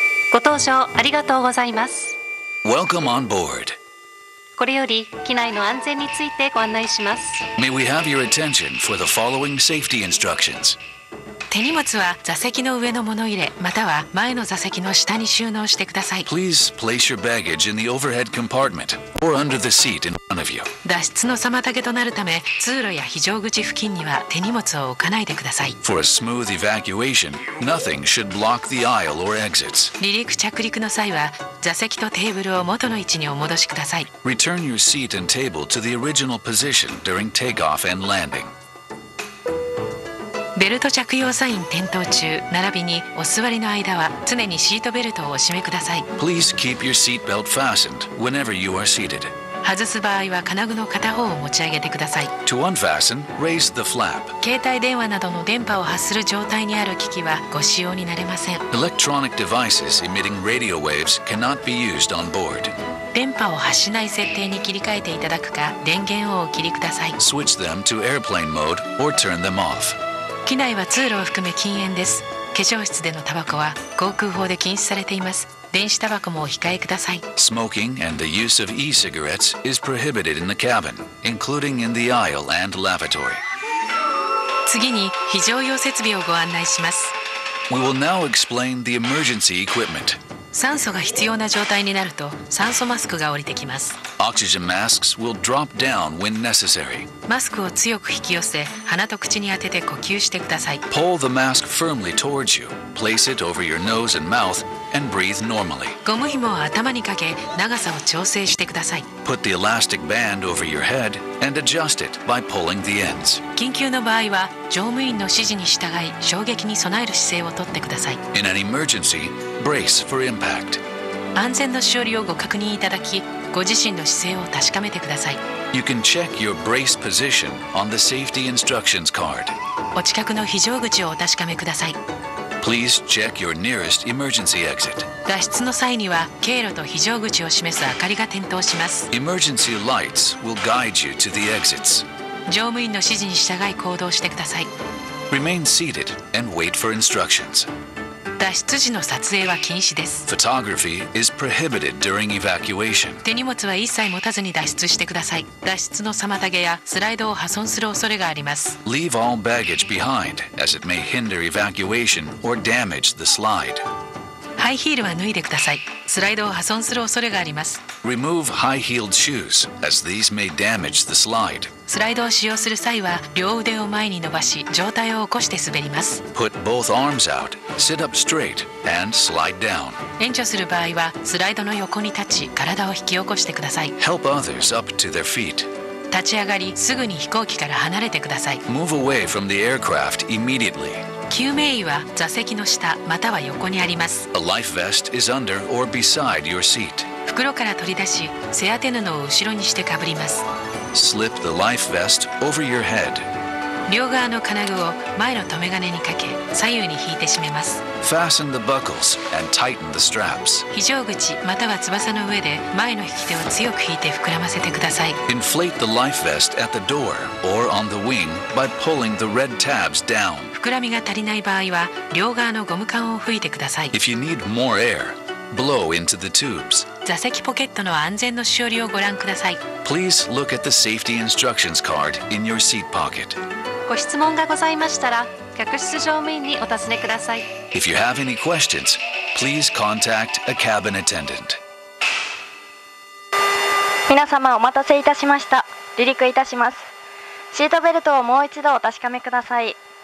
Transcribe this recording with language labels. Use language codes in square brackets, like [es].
[ja] ご搭乗ありがとうございます。 [en] Welcome on board. [ja] これより機内の安全についてご案内します。 [en] May we have your attention for the following safety instructions. [ja] 手荷物は座席の上の物入れまたは前の座席の下に収納してください。 [en] Please place your baggage in the overhead compartment or under the seat in front of you. [ja] 脱出の妨げとなるため通路や非常口付近には手荷物を置かないでください。 [en] For a smooth evacuation, nothing should block the aisle or exits. [ja] 離陸着陸の際は座席とテーブルを元の位置にお戻しください。 [en] Return your seat and table to the original position during takeoff and landing. [ja] ベルト着用サイン点灯中並びにお座りの間は常にシートベルトをお締めください。 [en] Please keep your seat belt fastened whenever you are seated. [ja] 外す場合は金具の片方を持ち上げてください。 [en] To unfasten, raise the flap. [ja] 携帯電話などの電波を発する状態にある機器はご使用になれません。 [en] Electronic devices emitting radio waves cannot be used on board. [ja] 電波を発しない設定に切り替えていただくか電源をお切りください。 [en] Switch them to airplane mode or turn them off. [ja] 機内は通路を含め禁煙です。化粧室でのタバコは航空法で禁止されています。電子タバコもお控えください。 [en] Smoking and the use of e-cigarettes is prohibited in the cabin, including in the aisle and lavatory. [ja] 次に非常用設備をご案内します。 [en] We will now explain the emergency equipment. [ja] 酸素が必要な状態になると酸素マスクが降りてきます。 [en] Oxygen masks will drop down when necessary. [ja] マスクを強く引き寄せ、鼻と口に当てて呼吸してください。 [en] Pull the mask firmly towards you. Place it over your nose and mouth and breathe normally. [ja] ゴム紐を頭にかけ、長さを調整してください。 [en] Put the elastic band over your head and adjust it by pulling the ends. [ja] 緊急の場合は、乗務員の指示に従い、衝撃に備える姿勢をとってください。 [en] In an emergency, brace for impact. [ja] 安全の処理をご確認いただき、ご自身の姿勢を確かめてください。 [en] You can check your brace position on the safety instructions card. [ja] お近くの非常口をお確かめください。 [en] Please check your nearest emergency exit. [ja] 脱出の際には経路と非常口を示す明かりが点灯します。 [en] Emergency lights will guide you to the exits. [ja] 乗務員の指示に従い行動してください。 [en] Remain seated and wait for instructions. [ja] 脱出時の撮影は禁止です。 [en] Photography is prohibited during evacuation. [ja] 手荷物は一切持たずに脱出してください。脱出の妨げやスライドを破損する恐れがあります。 [en] Leave all baggage behind, as it may hinder evacuation or damage the slide. [ja] ハイヒールは脱いでください。スライドを破損する恐れがあります。 [en] Remove high-heeled shoes, as these may damage the slide. [ja] スライドを使用する際は両腕を前に伸ばし上体を起こして滑ります。 [en] Put both arms out, sit up straight, and slide down. [ja] 援助する場合はスライドの横に立ち体を引き起こしてください。 [en] Help others up to their feet. [ja] 立ち上がりすぐに飛行機から離れてください。 [en] Move away from the aircraft immediately. [ja] 救命衣は座席の下または横にあります。 [en] A life vest is under or beside your seat. [ja] 袋から取り出し、背当て布を後ろにしてかぶります。 [en] Slip the life vest over your head. [ja] 両側の金具を前の留め金にかけ、左右に引いて締めます。 [en] Fasten the buckles and tighten the straps. [ja] 非常口または翼の上で前の引き手を強く引いて膨らませてください。 [en] Inflate the life vest at the door or on the wing by pulling the red tabs down. [ja] 膨らみが足りない場合は、両側のゴム管を吹いてください。 [en] If you need more air,Blow into the tubes. [ja] 座席ポケットの安全のしおりをご覧ください。 [en] Please look at the safety instructions card in your seat pocket. [ja] ご質問がございましたら、客室乗務員にお尋ねください。 [en] If you have any questions, please contact a cabin attendant. [ja] 皆様お待たせいたしました。離陸いたします。シートベルトをもう一度お確かめください。